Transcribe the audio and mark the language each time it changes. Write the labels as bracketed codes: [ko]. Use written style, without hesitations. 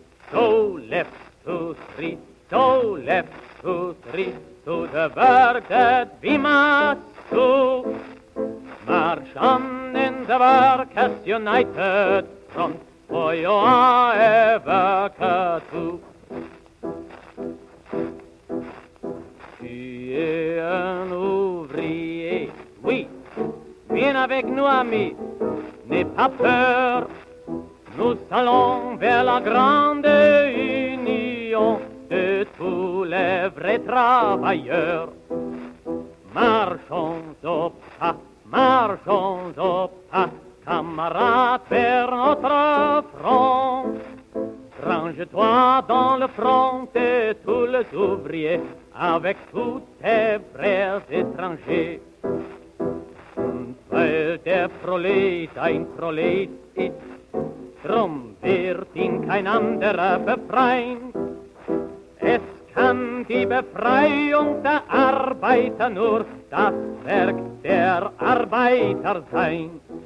[en] So left to street, so left to street, to the work that we must do. March on in the workers united front, for you are a worker too. [fr] Tu es un ouvrier, oui, viens avec nous, ami, n'aie pas peur. Nous allons vers la grande union de tous les vrais travailleurs. Marchons au pas, marchons au pas, camarades vers notre front. Range-toi dans le front de tous les ouvriers avec tous tes frères étrangers. [de] Weil der Prolet ein Prolet ist, drum wird ihn kein anderer befreien. Es kann die Befreiung der Arbeiter nur das Werk der Arbeiter sein.